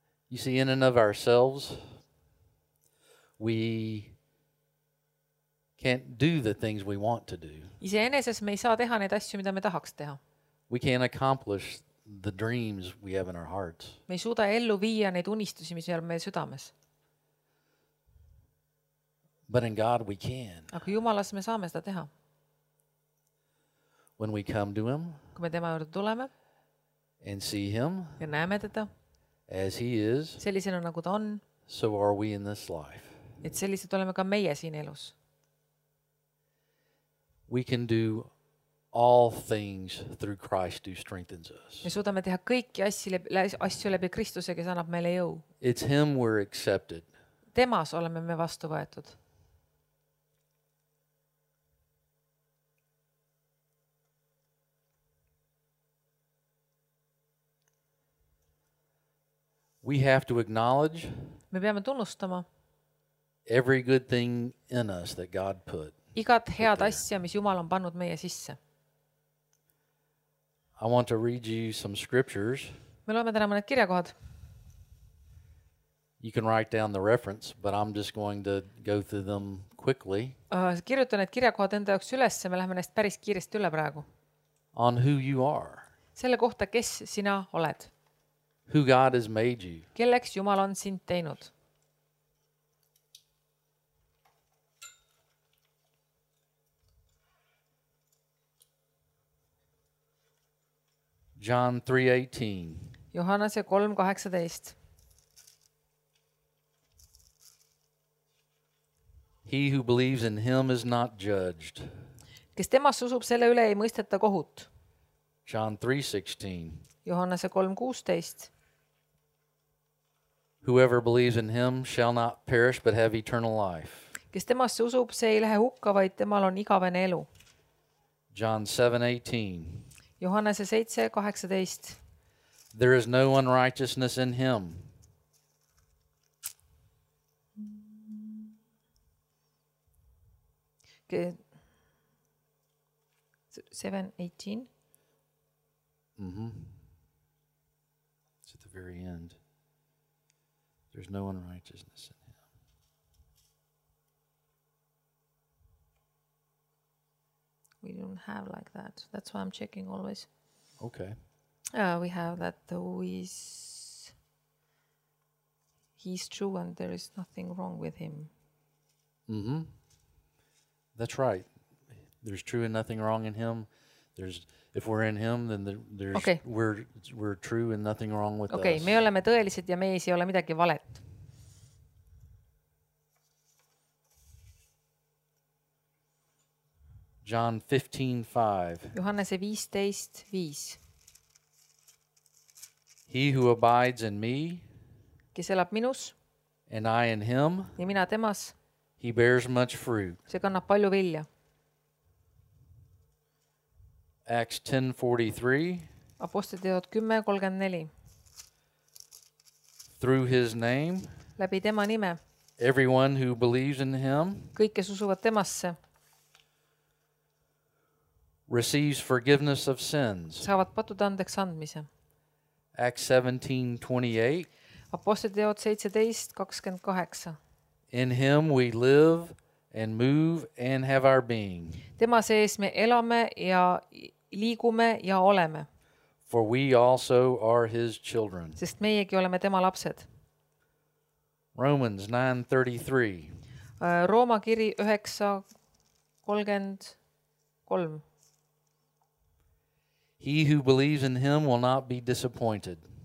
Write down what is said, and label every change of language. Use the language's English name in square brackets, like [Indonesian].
[English] You see, in and of ourselves, we can't do the things we want to do. [Estonian] Ise eneses me ei saa teha need asju, mida me tahaks teha. [English] We can't accomplish the dreams we have in our hearts. [Estonian] Me ei suuda ellu viia need unistusi, mis on meil südames. [English] But in God we can. [Estonian] Aga Jumalas me saame seda teha. [English] when we come to him, [Estonian] kui me tema juurde tuleme, [English] and see him, [Estonian] ja näeme teda, [English] as he is, [Estonian] sellisena nagu ta on, [English] so are we in this life. [Estonian] Et sellised oleme ka meie siin elus. [English] We can do all things through Christ who strengthens us. [Estonian] Me suudame teha kõiki asju läbi Kristuse, kes annab meile jõu. [English] It's him we're accepted. [Estonian] Temas oleme me vastu võetud. [English] We have to acknowledge. [Estonian] Me peame tunnustama. [English] Every good thing in us that God put. [Estonian] Igat head asja, mis Jumal on pannud meie sisse. [English] I want to read you some scriptures. [Estonian] Me loeme täna mõned kirjakohad. [English] You can write down the reference, but I'm just going to go through them quickly. [Estonian] Kirjutan need kirjakohad enda jaoks ülesse, me läheme neist päris kiiresti üle praegu. [English] On who you are. [Estonian] Selle kohta, kes sina oled. [English] Who God has made you. [Estonian] Kelleks Jumal on sind teinud. [English] John 3:18. [Estonian] Johannese 3:18. [English] He who believes in him is not judged. [Estonian] Kes temas usub, selle üle ei mõisteta kohut. [English] John 3:16. [Estonian] Johannese 3:16. [English] Whoever believes in him shall not perish but have eternal life. [Estonian] Kes temas usub, see ei lähe hukka, vaid temal on igavene elu. [English] John 7:18. [Estonian] Johannese 7:18. [English] There is no unrighteousness in him. Okay. 7:18. Mm-hmm. It's at the very end. There's no unrighteousness in him. We don't have like that. That's why I'm checking always. Okay. We have that though he's true and there is nothing wrong with him. Mm-hmm. That's right. There's true and nothing wrong in him. There's if we're in him then there's okay. we're true and nothing wrong with okay. us. [Estonian] Okay, me oleme tõelised ja me ei ole midagi valet. [English] John 15:5. [Estonian] Johannese 15:5. [English] He who abides in me, [Estonian] kes elab minus, [English] and I in him, [Estonian] ja mina temas, [English] he bears much fruit. [Estonian] See kannab palju vilja. [English] Acts 10:43. [Estonian] Apostelteod 10:34. [English] Through his name, [Estonian] läbi tema nime, [English] everyone who believes in him, [Estonian] kõik, kes usuvad temasse, [English] receives forgiveness of sins. [Estonian] Saavad patud andeks andmise. [English] Acts 17:28. [Estonian] Apostelteod 17:28. [English] In him we live and move and have our being. [Estonian] Tema sees me elame ja liigume ja oleme. [English] For we also are his children. [Estonian] Sest meiegi oleme tema lapsed. [English] Romans 9:33. [Estonian] Rooma kiri 9:33. [English] He who believes in him will not be disappointed.